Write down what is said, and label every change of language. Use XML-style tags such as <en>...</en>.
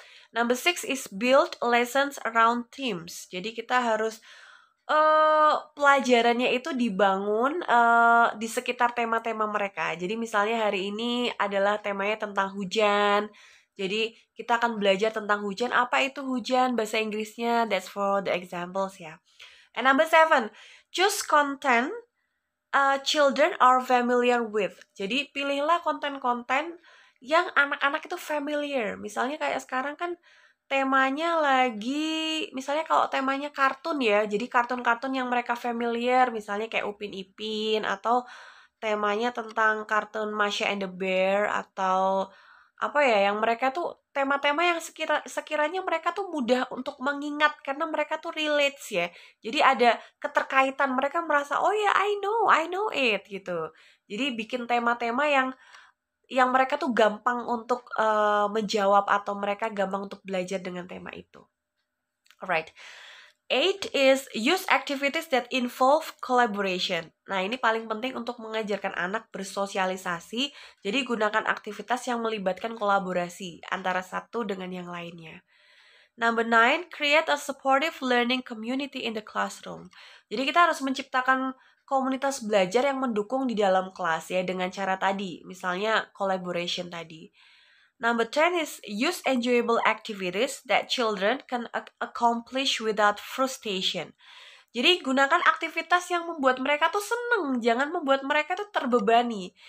<en>Number 6 is build lessons around themes.</en> <id>Jadi kita harus pelajarannya itu dibangun di sekitar tema-tema mereka. Jadi misalnya hari ini adalah temanya tentang hujan. Jadi, kita akan belajar tentang hujan. Apa itu hujan? Bahasa Inggrisnya.</id> <en>That's for the examples,</en> <id>ya.</id> <en>And number 7, choose content children are familiar with.</en> <id>Jadi, pilihlah konten-konten yang anak-anak itu familiar. Misalnya kayak sekarang kan temanya lagi, misalnya kalau temanya kartun, ya. Jadi, kartun-kartun yang mereka familiar. Misalnya kayak Upin Ipin atau temanya tentang kartun Masha and the Bear atau apa ya, yang mereka tuh tema-tema yang sekiranya mereka tuh mudah untuk mengingat karena mereka tuh relates ya. Jadi ada keterkaitan, mereka merasa, oh ya,</id> <en>I know it</en> <id>gitu. Jadi bikin tema-tema yang mereka tuh gampang untuk menjawab atau mereka gampang untuk belajar dengan tema itu. Alright.</id> <en>8 is use activities that involve collaboration.</en> <id>Nah, ini paling penting untuk mengajarkan anak bersosialisasi. Jadi, gunakan aktivitas yang melibatkan kolaborasi antara satu dengan yang lainnya.</id> <en>Number 9, create a supportive learning community in the classroom.</en> <id>Jadi, kita harus menciptakan komunitas belajar yang mendukung di dalam kelas ya dengan cara tadi, misalnya collaboration tadi.</id> <en>Number 10 is use enjoyable activities that children can accomplish without frustration.</en> <id>Jadi gunakan aktivitas yang membuat mereka tuh seneng, jangan membuat mereka tuh terbebani.</id>